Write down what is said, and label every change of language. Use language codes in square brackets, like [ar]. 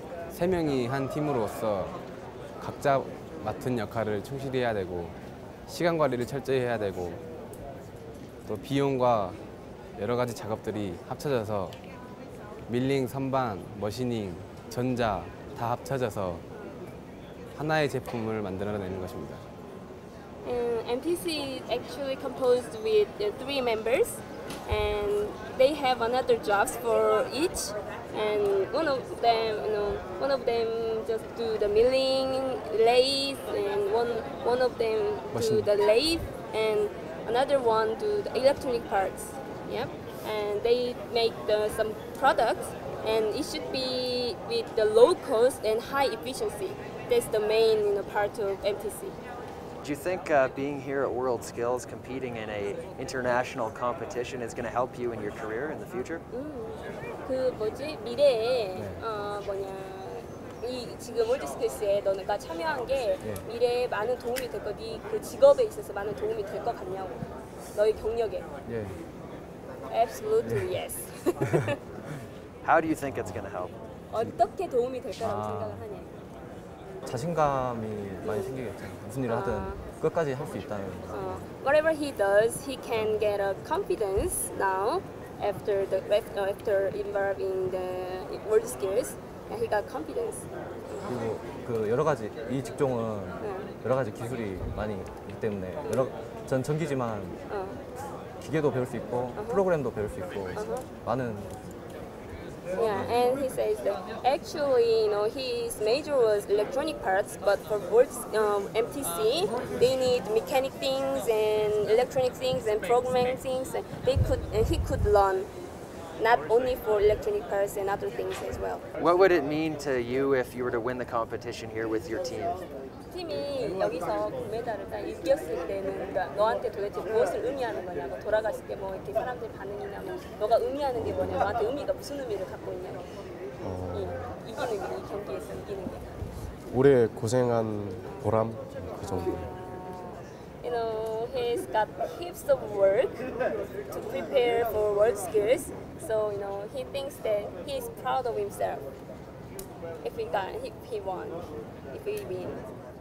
[ko] 세 명이 한 팀으로서 각자 맡은 역할을 충실히 해야 되고 시간 관리를 철저히 해야 되고 또 비용과 여러 가지 작업들이 합쳐져서 밀링, 선반, 머시닝, 전자 다 합쳐져서 하나의 제품을 만들어내는 것입니다. [en] MTC is actually composed with three members and they have another jobs for each and one of them, you know, one of them just do the milling, lathe and one of them do the lathe and another one do the electronic parts. Yep. And they make some products and it should be with the low cost and high efficiency. That's the main, you know, part of MTC. Do you think being here at WorldSkills, competing in a international competition, is going to help you in your career in the future? [ko] 그 뭐지 미래에 어 뭐냐 이 지금 WorldSkills에 너네가 참여한 게 미래에 많은 도움이 될 거, 네 그 직업에 있어서 많은 도움이 될 것 같냐고 너의 경력에. [en] Absolutely yes. How do you think it's going to help? [ko] 어떻게 도움이 될까라고 생각을 하냐. 자신감이 많이 생기겠죠. 무슨 일을 하든 끝까지 할 수 있다는. [en] Whatever he does, he can get a confidence now after the after involving the world skills. And he got confidence. [ko] 그리고 그 여러 가지 이 직종은 여러 가지 기술이 많이 있기 때문에 여러 전 전기지만 기계도 배울 수 있고 프로그램도 배울 수 있고 많은. [en] Yeah, and he says that actually, you know, his major was electronic parts, but for MTC, they need mechanic things and electronic things and programming things. He could learn not only for electronic parts and other things as well. What would it mean to you if you were to win the competition here with your team? [ko] 팀이 여기서 금메달을 딱 이겼을 때는 너한테 도대체 무엇을 의미하는 거냐고 돌아갔을 때 뭐 이렇게 사람들 반응이냐 뭐 너가 의미하는 게 뭐냐 너한테 의미가 무슨 의미를 갖고 있냐고 이기는 게 이 경기에서 이기는 게 올해 고생한 보람 그 정도. [en] You know, he's got heaps of work to prepare for world skills, so you know he thinks that he's proud of himself if he won, if he wins.